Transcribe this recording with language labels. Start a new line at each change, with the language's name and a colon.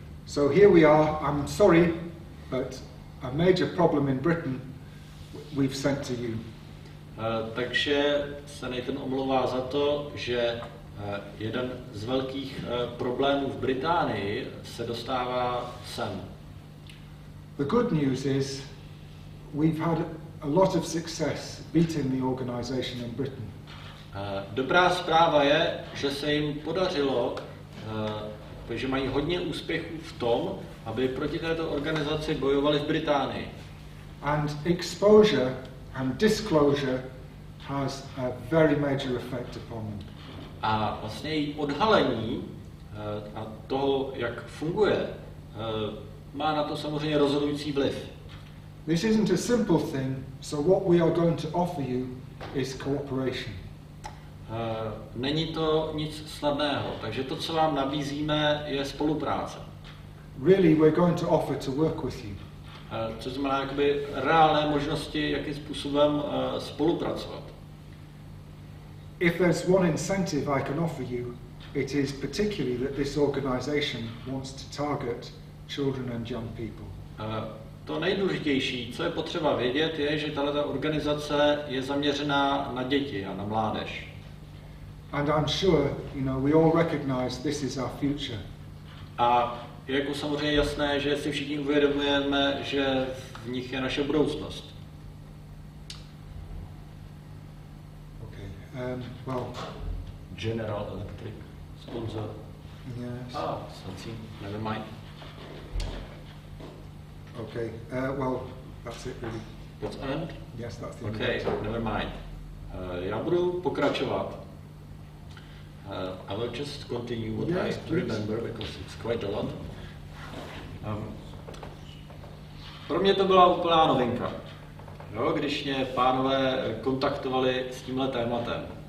English: So here we are, I'm sorry, but a major problem in Britain we've sent to you.
Czech: Takže se Nathan omlouvá za to, že jeden z velkých problémů v Británii se dostává sem.
English: The good news is we've had a lot of success beating the organization in Britain.
Czech: Dobrá zpráva je, že se jim podařilo, že mají hodně úspěchů v tom, aby proti této organizaci bojovali v Británii.
English: And exposure and disclosure has a very major effect upon them.
Czech: A vlastně její odhalení a toho, jak funguje, má na to samozřejmě rozhodující vliv.
English: This isn't a simple thing, so what we are going to offer you is cooperation.
Czech: Není to nic snadného, takže to, co vám nabízíme, je spolupráce.
English: Really, we're going to offer to work with you.
Czech: Což znamená jakoby reálné možnosti, jakým způsobem spolupracovat.
English: If there's one incentive I can offer you, it is particularly that this organization wants to target children and young people.
Czech: To nejdůležitější, co je potřeba vědět, je, že tato organizace je zaměřená na děti a na mládež.
English: And I'm sure, you know, we all recognize this is our future.
Czech: A je jako samozřejmě jasné, že si všichni uvědomujeme, že v nich je naše budoucnost.
English: Okay. Well, General Electric sponsor. Yes. Never mind. Okay. Well, that's it really. What's end? Yes, that's the okay, end. Okay, never mind.
Czech: Já budu pokračovat.
English: I will just continue what yes, I please. Remember because it's quite a lot.
Czech: Pro mě to byla úplná novinka, jo, když mě pánové kontaktovali s tímhle tématem.